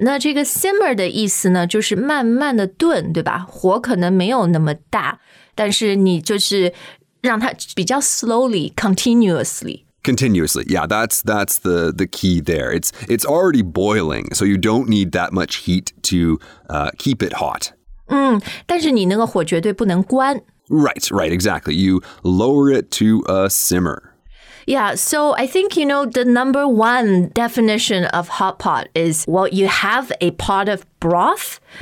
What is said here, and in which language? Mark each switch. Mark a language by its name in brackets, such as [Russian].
[Chinese] 那这个 simmer 的意思呢，就是慢慢的炖，对吧？火可能没有那么大，但是你就是让它比较 [English] slowly, continuously. Continuously, yeah, that's the key there. It's already boiling, so you don't need that much heat to keep it hot. [Chinese] 但是你那个火绝对不能关。 [English] Right, exactly. You lower it to a simmer. Yeah, so I think, you know, the number one definition of hot pot is, well, you have a pot of broth.